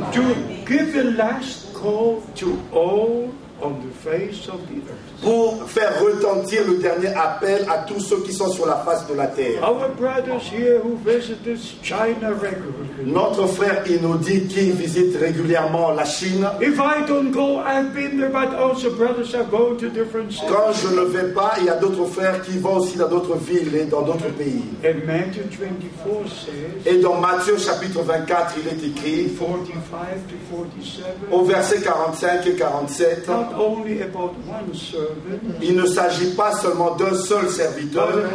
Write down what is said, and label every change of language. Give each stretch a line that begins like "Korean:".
English: To give the last call to all on the face of the earth.
French: Pour faire retentir le dernier appel à tous ceux qui sont sur la face de la terre.
English: Our brothers here who visit China regularly.
French: Notre frère Inodi qui visite régulièrement la Chine.
English: If I don't go, I've been there, but also brothers are going to different cities.
French: Quand je ne vais pas, il y a d'autres frères qui vont aussi dans d'autres villes et dans d'autres pays.
English: And Matthew 24 says.
French: Et dans Matthieu chapitre 24, il est écrit.
English: 45 to 47.
French: Au verset 45 et 47.
English: Not only about one servant.
French: Il ne s'agit pas seulement d'un seul serviteur,